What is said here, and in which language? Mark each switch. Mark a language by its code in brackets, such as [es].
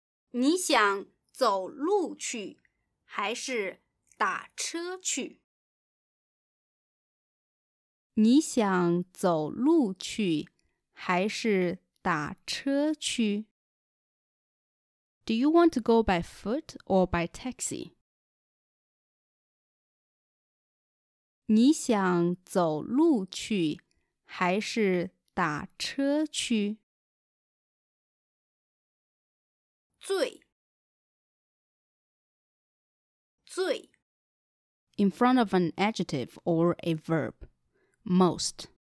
[zh] 你想走路去，还是打车去？你想走路去，还是打车去？ [en] Do you want to go by foot or by taxi? [zh] 你想走路去，还是打车去？醉，醉。 [en] In front of an adjective or a verb. Most.